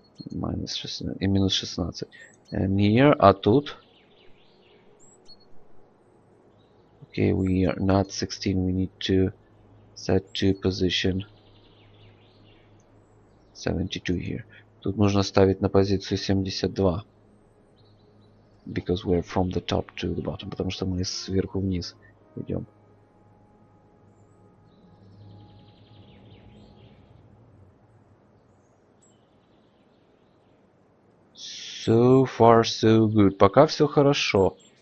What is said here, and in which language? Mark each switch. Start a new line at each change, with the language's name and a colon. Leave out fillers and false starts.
English: Minus 16.
Russian: И минус 16.
English: And here,
Russian: а тут?
English: Okay, we are not 16. We need to set to position 72 here.
Russian: Тут нужно ставить на позицию 72.
English: Because we're from the top to the bottom.
Russian: Потому что мы сверху вниз идем.
English: So far so good.
Russian: Пока все хорошо.